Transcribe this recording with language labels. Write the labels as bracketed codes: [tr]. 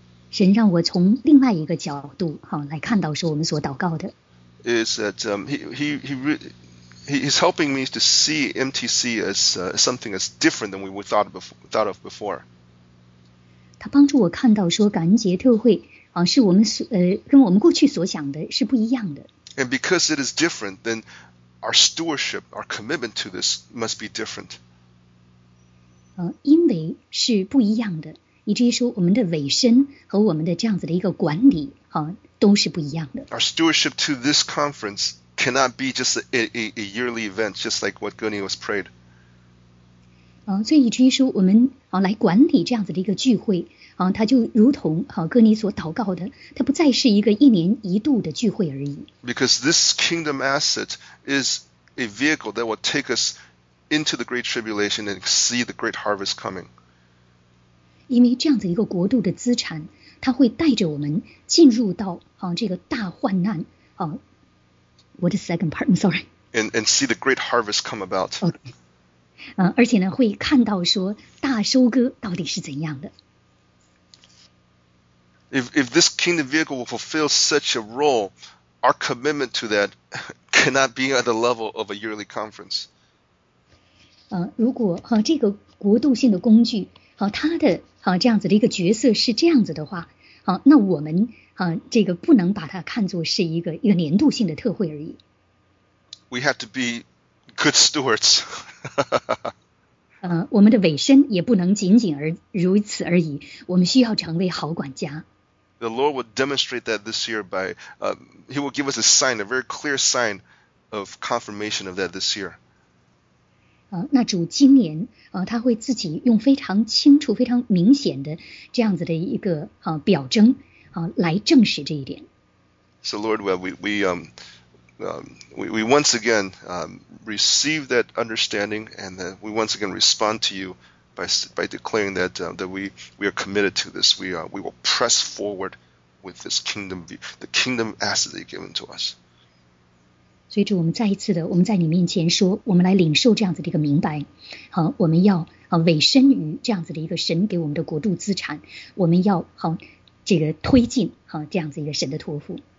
[zh] 神让我从另外一个角度好来看到说我们所祷告的。 [en] Is that he is helping me to see MTC as something that's different than we thought of before. [zh] 他帮助我看到说感恩节特会啊，是我们跟我们过去所想的是不一样的。 [en] And because it is different, then our stewardship, our commitment to this must be different. [zh] 因为是不一样的，以至于说我们的委身和我们的这样子的一个管理啊，都是不一样的。 [en] Our stewardship to this conference cannot be just a yearly event, just like what Gurney was prayed. [zh] 所以以至于说我们来管理这样子的一个聚会啊，它就如同哥尼所祷告的，它不再是一个一年一度的聚会而已。 [en] Because this kingdom asset is a vehicle that will take us into the great tribulation and see the great harvest coming. [zh] 因为这样子一个国度的资产，它会带着我们进入到这个大患难啊。 [en] What is the second part? I'm sorry. And see the great harvest come about. Okay. [zh] 而且呢，会看到说大收割到底是怎样的。 [en] If this kingdom vehicle will fulfill such a role, our commitment to that cannot be at the level of a yearly conference. [zh] 如果这个国度性的工具它的这样子的一个角色是这样子的话，那我们这个不能把它看作是一个年度性的特会而已。 [en] We have to be good stewards. [zh] 我们的委身也不能仅仅如此而已，我们需要成为好管家。 [en] The Lord will demonstrate that this year by, He will give us a sign, a very clear sign of confirmation of that this year. [zh] 那主今年他会自己用非常清楚、非常明显的这样子的一个表征来证实这一点。 [en] So Lord, we once again receive that understanding, and that we once again respond to you. By declaring that that we are committed to this, we will press forward with this kingdom view, the kingdom asset that you've given to us. [zh] 所以主，我们再一次的，我们在你面前说，我们来领受这样子的一个明白。我们要委身于这样子的一个神给我们的国度资产，我们要这个推进这样子一个神的托付。